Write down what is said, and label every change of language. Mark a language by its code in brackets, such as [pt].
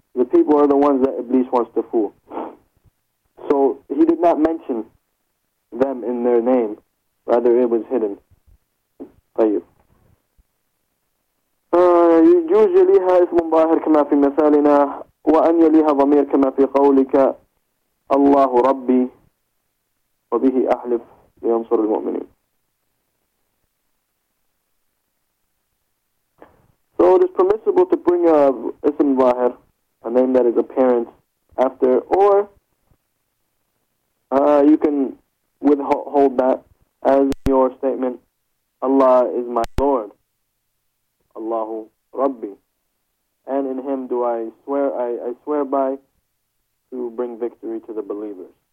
[en] The people are the ones that Iblis wants to fool. So he did not mention them in their name, rather it was hidden by you. [ar] يجوز يليها اسم ظاهر كما في مثالنا وأن يليها ضمير كما في قولك الله ربي وبه أحلف لينصر المؤمنين. [en] So it is permissible to bring a ism ظاهر, a name that is apparent, after, or you can withhold that as your statement, Allah is my Lord, Allahu Rabbi, and in Him do I swear, I swear by to bring victory to the believers.